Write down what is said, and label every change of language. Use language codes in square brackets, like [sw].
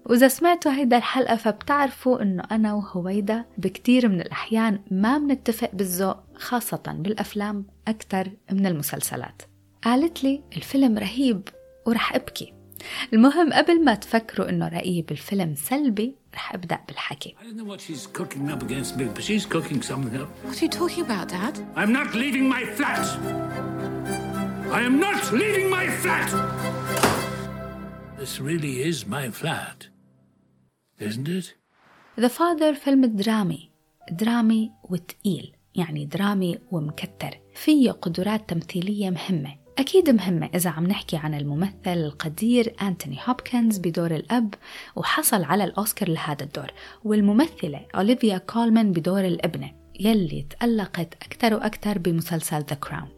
[ar] وإذا سمعتوا هيدا الحلقة فبتعرفوا إنه أنا وهويدا بكتير من الأحيان ما منتفق بالذوق، خاصة بالأفلام أكتر من المسلسلات. قالت لي الفيلم رهيب ورح أبكي. المهم قبل ما تفكروا إنه رأيي بالفيلم سلبي، رح أبدأ بالحكي. [en] I don't know what she's cooking up against me, but she's cooking something up. What are you talking about, Dad? I'm not leaving my flat. I am not leaving my flat. This really is my flat, isn't it? [ar] The Father فيلم درامي، درامي وتقيل، يعني درامي ومكتر، فيه قدرات تمثيلية مهمة. أكيد مهمة إذا عم نحكي عن الممثل القدير أنتوني هوبكنز بدور الأب، وحصل على الأوسكار لهذا الدور، والممثلة أوليفيا كولمان بدور الأبنة يلي تألقت أكثر وأكثر بمسلسل The Crown.